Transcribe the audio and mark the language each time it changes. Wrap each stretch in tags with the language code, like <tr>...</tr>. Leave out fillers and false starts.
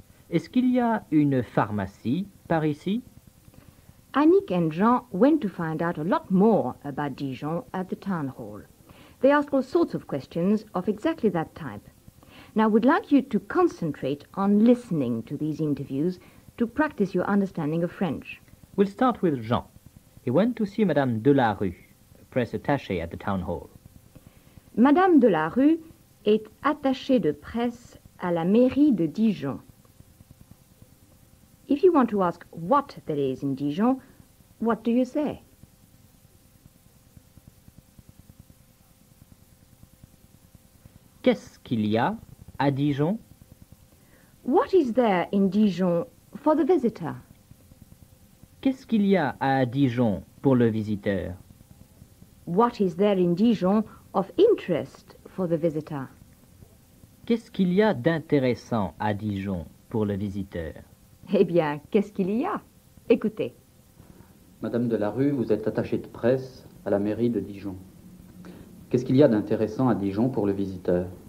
<fr>Est-ce qu'il y a une pharmacie par ici?</fr> <en>Annick and Jean went to find out a lot more about Dijon at the town hall. They asked all sorts of questions of exactly that type. Now, we'd like you to concentrate on listening to these interviews to practice your understanding of French. We'll start with Jean. He went to see Madame Delarue, press attaché at the town hall.</en> <fr>Madame Delarue est attachée de presse à la mairie de Dijon.</fr> <en>If you want to ask what there is in Dijon, what do you say?</en> <fr>Qu'est-ce qu'il y a à Dijon?</fr> <en>What is there in Dijon for the visitor?</en> <fr>Qu'est-ce qu'il y a à Dijon pour le visiteur?</fr> <en>What is there in Dijon of interest for the visitor?</en> <fr>Qu'est-ce qu'il y a d'intéressant à Dijon pour le visiteur? Eh bien, qu'est-ce qu'il y a? Écoutez. Madame Delarue, vous êtes attachée de presse à la mairie de Dijon. Qu'est-ce qu'il y a d'intéressant à Dijon pour le visiteur?</fr>